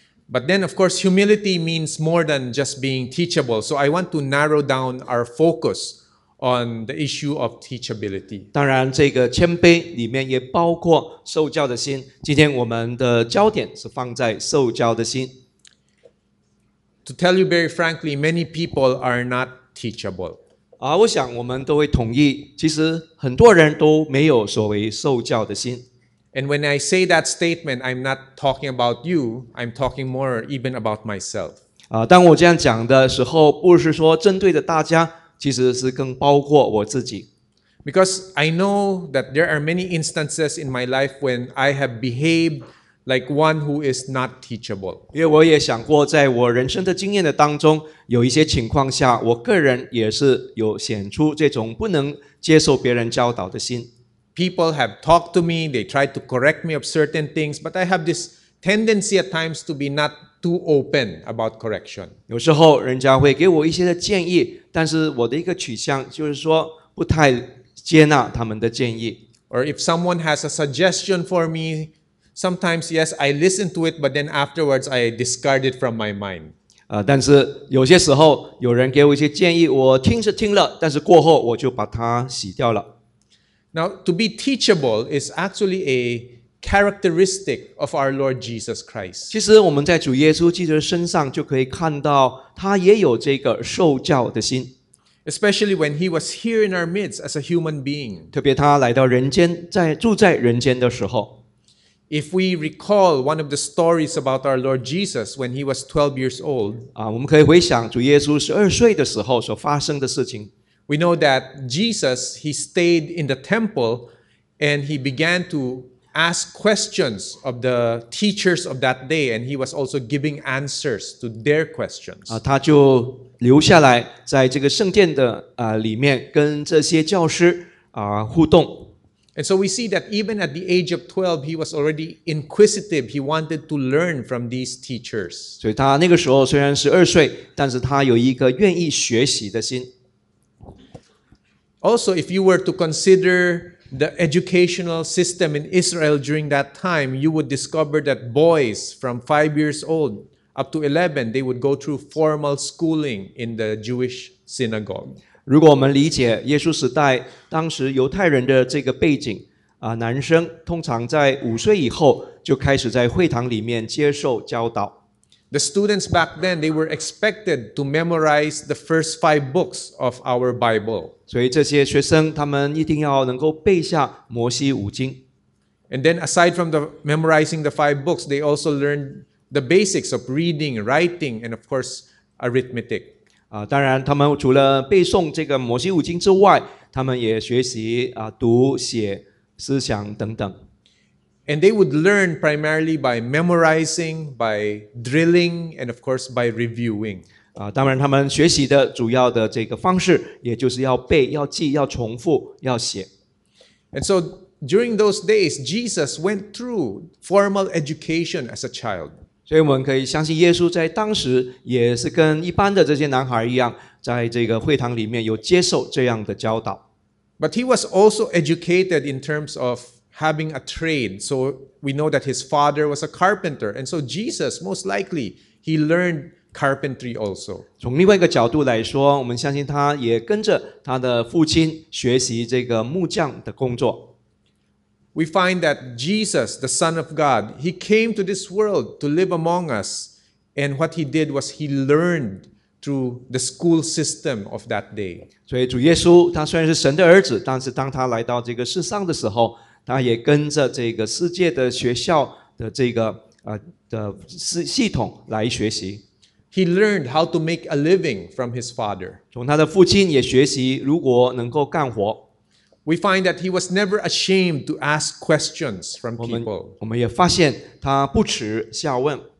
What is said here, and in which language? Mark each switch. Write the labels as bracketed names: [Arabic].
[English] But then, of course, humility means more than just being teachable. So I want to narrow down our focus on the issue of teachability. [Chinese] 当然，这个谦卑里面也包括受教的心。今天我们的焦点是放在受教的心。 [English] To tell you very frankly, many people are not teachable. [Chinese] 我想我们都会同意，其实很多人都没有所谓受教的心。 [English] And when I say that statement, I'm not talking about you, I'm talking more even about myself. [Chinese] 当我这样讲的时候，不是说针对的大家，其实是更包括我自己。 [English] Because I know that there are many instances in my life when I have behaved like one who is not teachable. [Chinese] 因为我也想过，在我人生的经验的当中，有一些情况下，我个人也是有显出这种不能接受别人教导的心。 [English] People have talked to me, they tried to correct me of certain things, but I have this tendency at times to be not too open about correction. [Chinese] 有时候人家会给我一些的建议，但是我的一个取向就是说不太接纳他们的建议。 [English] Or if someone has a suggestion for me, sometimes yes, I listen to it, but then afterwards I discard it from my mind. [Chinese] 但是有些时候有人给我一些建议，我听是听了，但是过后我就把它洗掉了。 [English] Now, to be teachable is actually a characteristic of our Lord Jesus Christ. [Chinese] 其实我们在主耶稣基督身上就可以看到他也有这个受教的心。 [English] Especially when he was here in our midst as a human being. [Chinese] 特别他来到人间，在住在人间的时候。 [English] If we recall one of the stories about our Lord Jesus when he was 12 years old. [Chinese] 我们可以回想主耶稣12岁的时候所发生的事情。 [English] We know that Jesus, he stayed in the temple and he began to ask questions of the teachers of that day and he was also giving answers to their questions. [Chinese] 他就留下来在这个圣殿的里面跟这些教师互动。 [English] And so we see that even at the age of 12, he was already inquisitive. He wanted to learn from these teachers. [Chinese] 所以他那个时候虽然12岁，但是他有一个愿意学习的心。 [English] Also, if you were to consider the educational system in Israel during that time, you would discover that boys from 5 years old up to 11, they would go through formal schooling in the Jewish synagogue. [Chinese] 如果我们理解耶稣时代当时犹太人的这个背景，男生通常在五岁以后就开始在会堂里面接受教导。 [English] The students back then, they were expected to memorize the first 5 books of our Bible. [Chinese] 所以这些学生他们一定要能够背下摩西五经。 [English] And then aside from the memorizing the 5 books, they also learned the basics of reading, writing, and of course, arithmetic. [Chinese] 当然他们除了背诵这个摩西五经之外，他们也学习读写思想等等。 [English] And they would learn primarily by memorizing, by drilling, and of course by reviewing. [Chinese] 当然他们学习的主要的这个方式也就是要背、要记、要重复、要写。 [English] And so during those days, Jesus went through formal education as a child. [Chinese] 所以我们可以相信耶稣在当时也是跟一般的这些男孩一样，在这个会堂里面有接受这样的教导。 [English] But he was also educated in terms of having a trade. So we know that his father was a carpenter. And so Jesus, most likely, he learned carpentry also. [Chinese] 从另外一个角度来说，我们相信他也跟着他的父亲学习这个木匠的工作。 [English] We find that Jesus, the Son of God, he came to this world to live among us. And what he did was he learned through the school system of that day. [Chinese] 所以主耶稣他虽然是神的儿子，但是当他来到这个世上的时候，他也跟着这个世界的学校的这个的系统来学习。 [English] He learned how to make a living from his father. [Chinese] 从他的父亲也学习如果能够干活。 [English] We find that he was never ashamed to ask questions from people. [Chinese] 我们也发现他不耻下问。